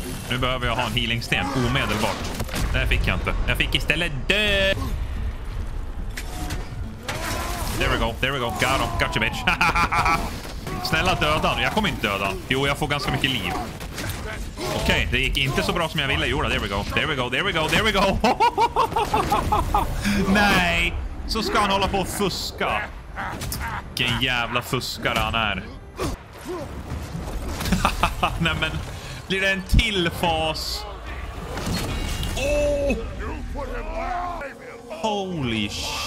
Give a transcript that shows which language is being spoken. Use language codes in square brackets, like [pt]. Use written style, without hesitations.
[sv] Nu behöver jag ha en healingsten omedelbart. Det fick jag inte. Jag fick istället dö. [en] There we go, there we go. Got him, gotcha bitch. [sv] Snälla döda nu. Jag kommer inte döda. Jo, jag får ganska mycket liv. Okej, okay, det gick inte så bra som jag ville. [en] Jo, there we go, there we go, there we go, there we go. [sv] Nej, så ska han hålla på och fuska. Vilken jävla fuskare han är. Nej, men blir det en till fas? [en] Oh! Holy sh...